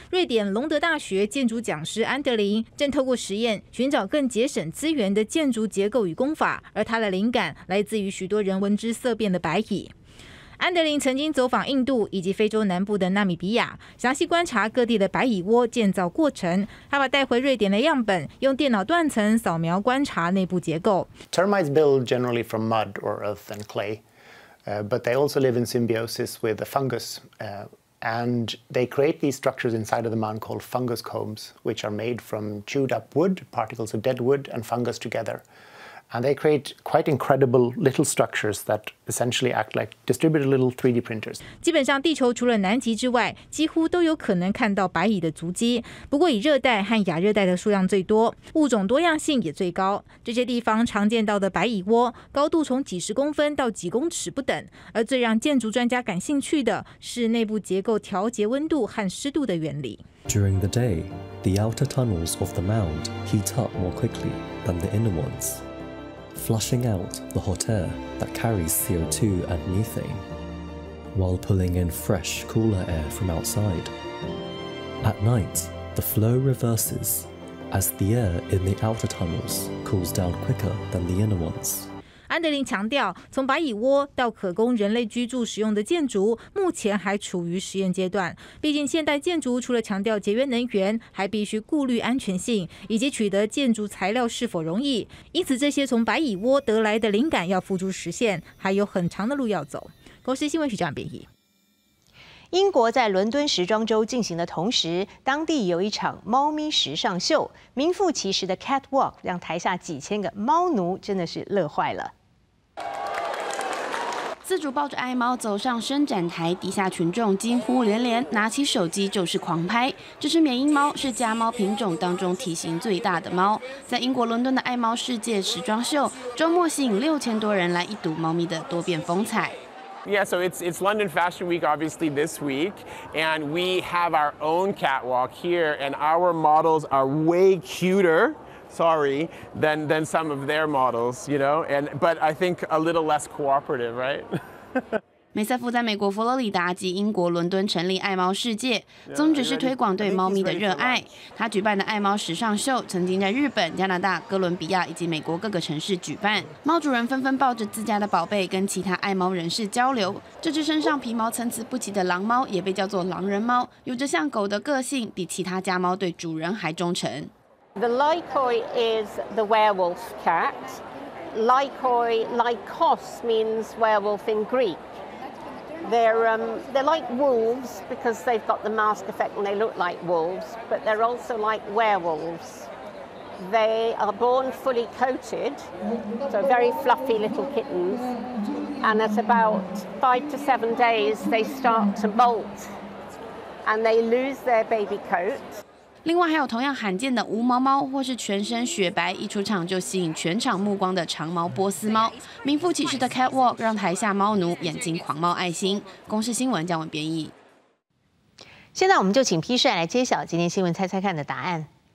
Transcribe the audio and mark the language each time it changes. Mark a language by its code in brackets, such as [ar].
[zh] 瑞典隆德大学建筑讲师安德林正透过实验寻找更节省资源的建筑结构与工法，而他的灵感来自于许多人闻之色变的白蚁。安德林曾经走访印度以及非洲南部的纳米比亚，详细观察各地的白蚁窝建造过程。他把带回瑞典的样本，用电脑断层扫描观察内部结构。 [en] Termites build generally from mud or earth and clay. But they also live in symbiosis with the fungus, and they create these structures inside of the mound called fungus combs, which are made from chewed up wood, particles of dead wood and fungus together. And they create quite incredible little structures that essentially act like distributed little 3D printers. [zh] 基本上地球除了南极之外，几乎都有可能看到白蚁的足迹，不过以热带和亚热带的数量最多，物种多样性也最高。这些地方常见到的白蚁窝高度从几十公分到几公尺不等，而最让建筑专家感兴趣的是内部结构调节温度和湿度的原理。 [en] During the day, the outer tunnels of the mound heat up more quickly than the inner ones. Flushing out the hot air that carries CO2 and methane, while pulling in fresh, cooler air from outside. At night, the flow reverses as the air in the outer tunnels cools down quicker than the inner ones. [zh] 安德林强调，从白蚁窝到可供人类居住使用的建筑，目前还处于实验阶段。毕竟现代建筑除了强调节约能源，还必须顾虑安全性以及取得建筑材料是否容易。因此，这些从白蚁窝得来的灵感要付诸实现，还有很长的路要走。国视新闻徐长编译。英国在伦敦时装周进行的同时，当地有一场猫咪时尚秀，名副其实的 catwalk 让台下几千个猫奴真的是乐坏了。自主抱着爱猫走上伸展台，底下群众惊呼连连，拿起手机就是狂拍。这只缅因猫是家猫品种当中体型最大的猫，在英国伦敦的爱猫世界时装秀，周末吸引6000多人来一睹猫咪的多变风采。 [en] Yeah, so it's London Fashion Week, obviously, this week, and we have our own catwalk here, and our models are way cuter, sorry, than some of their models, you know? But I think a little less cooperative, right? [zh] 梅塞夫在美国佛罗里达及英国伦敦成立爱猫世界，宗旨是推广对猫咪的热爱。他举办的爱猫时尚秀曾经在日本、加拿大、哥伦比亚以及美国各个城市举办，猫主人纷纷抱着自家的宝贝跟其他爱猫人士交流。这只身上皮毛参差不齐的狼猫也被叫做狼人猫，有着像狗的个性，比其他家猫对主人还忠诚。 [en] The Lycoi is the werewolf cat. Lycoi, Lycos means werewolf in Greek. They're like wolves because they've got the mask effect and they look like wolves, but they're also like werewolves. They are born fully coated, so very fluffy little kittens, and at about 5 to 7 days they start to bolt and they lose their baby coat. [zh] 另外还有同样罕见的无毛猫，或是全身雪白，一出场就吸引全场目光的长毛波斯猫，名副其实的 catwalk 让台下猫奴眼睛狂冒爱心。公视新闻姜文编译。现在我们就请 P 帅来揭晓今天新闻猜猜看的答案。